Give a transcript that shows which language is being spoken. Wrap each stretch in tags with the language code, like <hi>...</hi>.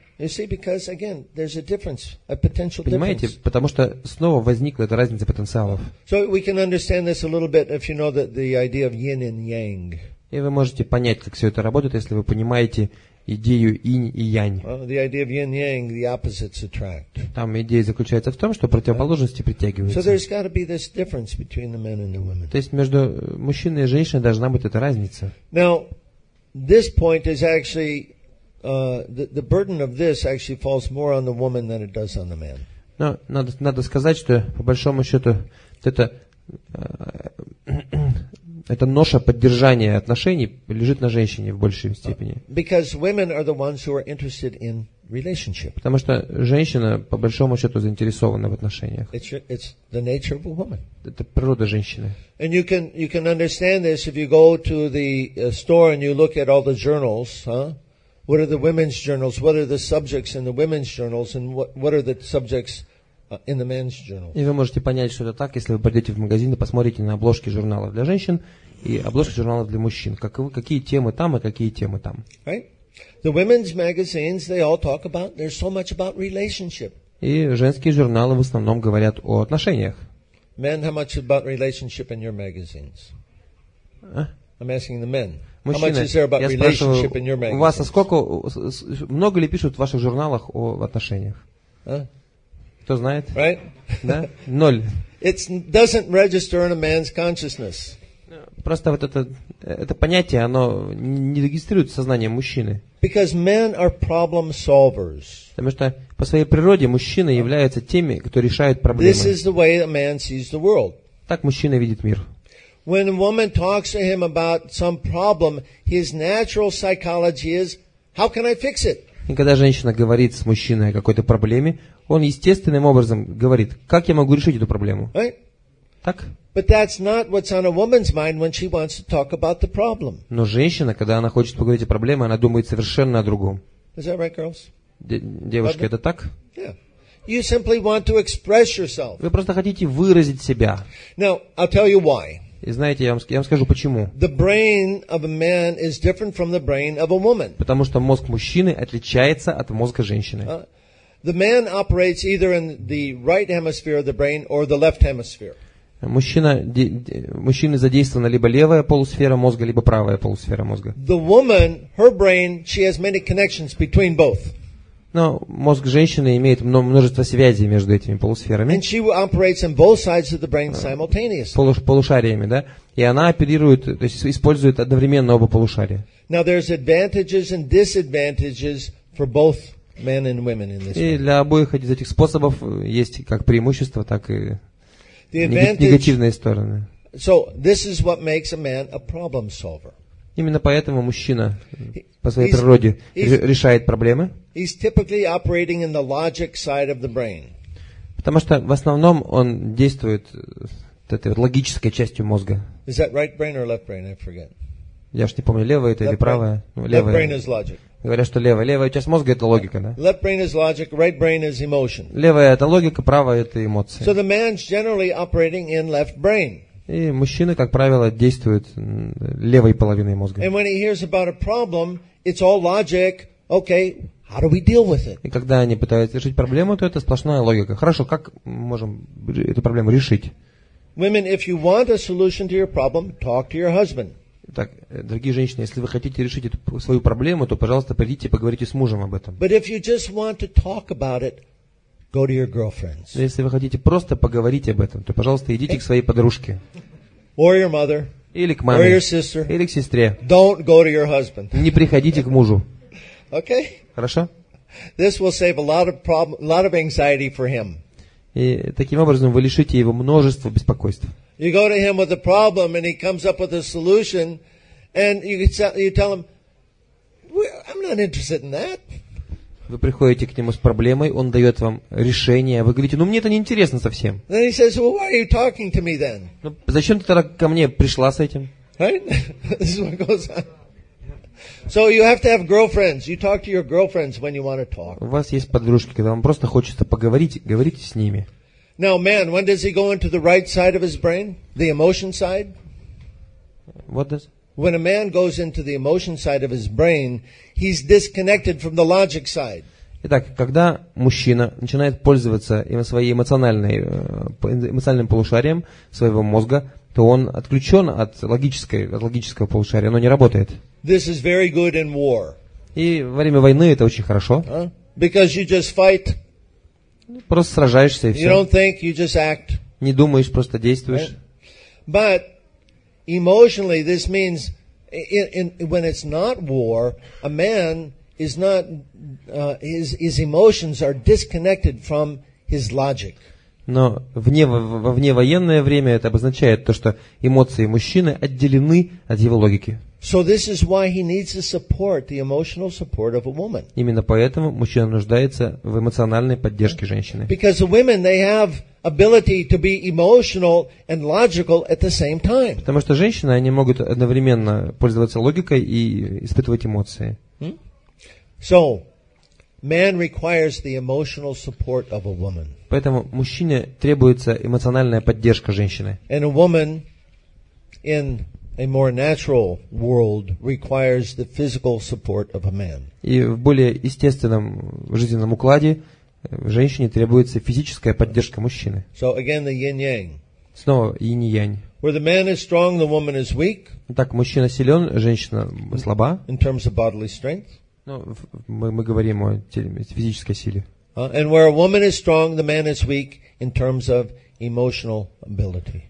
<en>You see, because again, there's a difference, a potential difference.</en> <ru>Понимаете, потому что снова возникла эта разница потенциалов.</ru> <en>So we can understand this a little bit if you know the idea of yin and yang.</en> <ru>И вы можете понять, как все это работает, если вы понимаете идею инь и янь.</ru> <en>Well, the idea of yin yang, the opposites attract.</en> <ru>Там идея заключается в том, что противоположности притягиваются.</ru> <en>So there's got to be this difference between the men and the women.</en> <ru>То есть между мужчиной и женщиной должна быть эта разница.</ru> <en>Now, this point is actually the burden of this actually falls more on the woman than it does on the man.</en> <ru>Но надо сказать, что по большому счету это ноша поддержания отношений лежит на женщине в большей степени.</ru> <en>Because women are the ones who are interested in relationship.</en> <ru>Потому что женщина по большому счету заинтересована в отношениях.</ru> <en>It's the nature of a woman.</en> <ru>Это природа женщины.</ru> <en>And you can understand this if you go to the store and you look at all the journals, huh? What are the women's journals? What are the subjects in the women's journals? And what are the subjects in the men's journals?</en> <ru>И вы можете понять, что это так, если вы пойдете в магазин и посмотрите на обложки журналов для женщин и обложка журнала для мужчин. Какие темы там и какие темы там?</ru> <en>The women's magazines, they all talk about, there's so much about relationship.</en> <ru>И женские журналы в основном говорят о отношениях.</ru> <en>Men, how much about relationship in your magazines? I'm asking the men.</en> <ru>Мужчины,</ru> <en>how much is there about relationship in your magazines?</en> <ru>У вас сколько, много ли пишут в ваших журналах о отношениях? Кто знает?</ru> <en>Right?</en> <ru>Да? Ноль.</ru> <en>It doesn't register in a man's consciousness.</en> <ru>Просто вот это понятие, оно не регистрирует сознание мужчины.</ru> <en>Because men are problem solvers.</en> <ru>Потому что по своей природе мужчины являются теми, кто решает проблемы.</ru> <en>This is the way a man sees the world.</en> <ru>Так мужчина видит мир.</ru> <en>When a woman talks to him about some problem, his natural psychology is, how can I fix it?</en> <ru>И когда женщина говорит с мужчиной о какой-то проблеме, он естественным образом говорит, как я могу решить эту проблему? Так?</ru> <en>But that's not what's on a woman's mind when she wants to talk about the problem.</en> <ru>Но женщина, когда она хочет поговорить о проблеме, она думает совершенно о другом.</ru> <en>Is that right, girls?</en> <ru>Девушки, это так?</ru> <en>Yeah. You simply want to express yourself.</en> <ru>Вы просто хотите выразить себя.</ru> <en>Now, I'll tell you why.</en> <ru>И знаете, я вам скажу почему.</ru> <en>The brain of a man is different from the brain of a woman.</en> <ru>Потому что мозг мужчины отличается от мозга женщины.</ru> <en>The man operates either in the right hemisphere of the brain or the left hemisphere.</en> <ru>Мужчины задействованы либо левая полусфера мозга, либо правая полусфера мозга.</ru> <en>The woman, her brain, she has many connections between both.</en> <ru>Но мозг женщины имеет множество связей между этими полусферами.</ru> <en>And she operates in both sides of the brain simultaneously.</en> <ru>Полушариями, да? И она оперирует, то есть использует одновременно оба полушария.</ru> <en>Now there's advantages and disadvantages for both men and women in this.</en> <ru>И для обоих из этих способов есть как преимущества, так и негативные стороны.</ru> <en>So this is what makes a man a problem solver.</en> <ru>Именно поэтому мужчина по своей природе решает проблемы.</ru> <en>He's typically operating in the logic side of the brain.</en> <ru>Потому что в основном он действует вот этой вот логической частью мозга.</ru> <en>Is that right brain or left brain? I forget.</en> <ru>Я же не помню, левая это</ru> <en>left</en> <ru>или правая. Ну, левая.</ru> <en>Left brain is logic.</en> <ru>Говорят, что левая. Левая часть мозга – это логика. Да?</ru> <en>Left brain is logic, right brain is emotion.</en> <ru>Левая – это логика, правая – это эмоции.</ru> <en>So the man's generally operating in left brain.</en> <ru>И мужчина, как правило, действует левой половиной мозга.</ru> <en>And when he hears about a problem, it's all logic. Okay, how do we deal with it?</en> <ru>И когда они пытаются решить проблему, то это сплошная логика. Хорошо, как мы можем эту проблему решить?</ru> <en>Women, if you want a solution to your problem, talk to your husband.</en> <ru>Так, дорогие женщины, если вы хотите решить эту свою проблему, то, пожалуйста, придите и поговорите с мужем об этом.</ru> <en>But if you just want to talk about it, go to your girlfriends.</en> <ru>Если вы хотите просто поговорить об этом, то, пожалуйста, идите к своей подружке.</ru> <en>Or your mother.</en> <ru>Или к маме.</ru> <en>Or your sister.</en> <ru>Или к сестре.</ru> <en>Don't go to your husband.</en> <ru>Не приходите к мужу.</ru> <en>Okay.</en> <ru>Хорошо.</ru> <en>This will save a lot of anxiety for him.</en> <ru>И таким образом вы лишите его множества беспокойств.</ru> <en>You go to him with a problem, and he comes up with a solution, and you tell him, "I'm not interested in that."</en> <ru>Вы приходите к нему с проблемой, он дает вам решение. Вы говорите, мне это не интересно совсем.</ru> <en>Then he says, "Well, why are you talking to me then?"</en> <ru>Ну, зачем ты тогда ко мне пришла с этим?</ru> <en>Right? This is what goes on. So you have to have girlfriends. You talk to your girlfriends when you want to talk.</en> <ru>У вас есть подружки, когда вам просто хочется поговорить, говорите с ними.</ru> <en>Now, man, when does he go into the right side of his brain, the emotion side? What does? When a man goes into the emotion side of his brain, he's disconnected from the logic side.</en> <ru>Итак, когда мужчина начинает пользоваться своей эмоциональным полушарием своего мозга, то он отключен от логического полушария, оно не работает.</ru> <en>This is very good in war.</en> <ru>И во время войны это очень хорошо.</ru> <en>Because you just fight.</en> <ru>Просто сражаешься и все.</ru> <en>You don't think, you just act.</en> <ru>Не думаешь, просто действуешь.</ru> <en>But emotionally, this means when it's not war, a man is not his emotions are disconnected from his logic.</en> <ru>Но вне военное время это обозначает то, что эмоции мужчины отделены от его логики.</ru> <en>So this is why he needs the support, the emotional support of a woman.</en> <ru>Именно поэтому мужчина нуждается в эмоциональной поддержке женщины.</ru> <en>Because the women, they have ability to be emotional and logical at the same time.</en> <ru>Потому что женщины, они могут одновременно пользоваться логикой и испытывать эмоции.</ru> <en>So, man requires the emotional support of a woman.</en> <ru>Поэтому мужчине требуется эмоциональная поддержка женщины.</ru> <en>And a woman in A more natural world requires the physical support of a man.</en> <ru>И в более естественном жизненном укладе женщине требуется физическая поддержка мужчины.</ru> <en>So again, the yin-yang.</en> <ru>Снова инь-янь.</ru> <en>Where the man is strong, the woman is weak.</en> <ru>Так, мужчина силен, женщина слаба.</ru> <en>In terms of bodily strength.</en> <ru>Ну, мы говорим о физической силе.</ru> <en>And where a woman is strong, the man is weak in terms of emotional ability.</en>